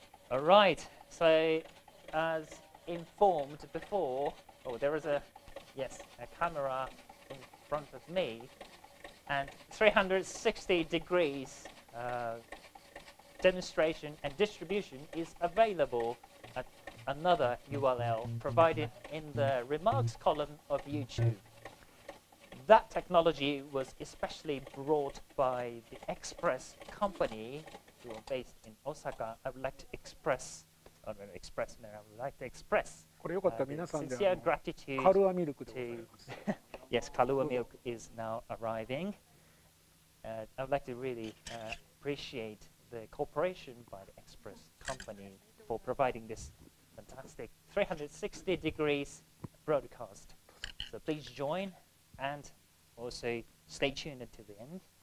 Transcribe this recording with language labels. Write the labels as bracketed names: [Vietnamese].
[English] All right. So, as informed before, oh, there is a camera in front of me, and 360 degrees demonstration and distribution is available at another URL provided in the remarks column of YouTube. That technology was especially brought by the Express company, who are based in Osaka. I would like to express. Express, I would like to express sincere gratitude [Japanese] カルアミルクでございます。 [English] Yes, Kalua milk is now arriving. I would like to really appreciate the cooperation by the Express company for providing this fantastic 360 degrees broadcast. So please join and also stay tuned to the end.